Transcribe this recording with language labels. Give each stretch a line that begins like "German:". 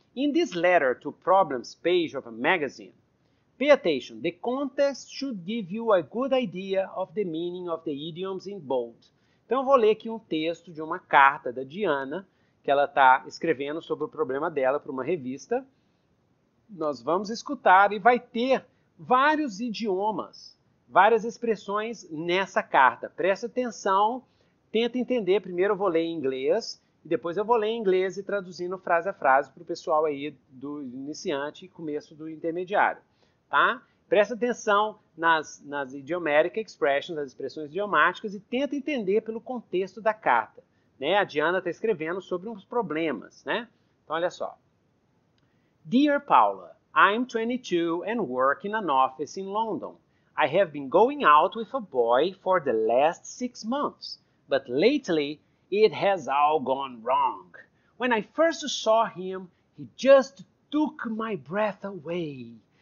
English: In this letter to problems page of a magazine, pay attention, the context should give you a good idea of the meaning of the idioms in bold.
Portuguese: Então, eu vou ler aqui um texto de uma carta da Diana, que ela está escrevendo sobre o problema dela para uma revista. Nós vamos escutar e vai ter vários idiomas, várias expressões nessa carta. Presta atenção, tenta entender. Primeiro eu vou ler em inglês. Depois eu vou ler em inglês e traduzindo frase a frase para o pessoal aí do iniciante e começo do intermediário, tá? Presta atenção nas idiomatic expressions, nas expressões idiomáticas e tenta entender pelo contexto da carta, né? A Diana está escrevendo sobre uns problemas, né? Então, olha só.
English: Dear Paula, I'm 22 and work in an office in London. I have been going out with a boy for the last 6 months, but lately... it has all gone wrong. When I first saw him, he just took my breath away.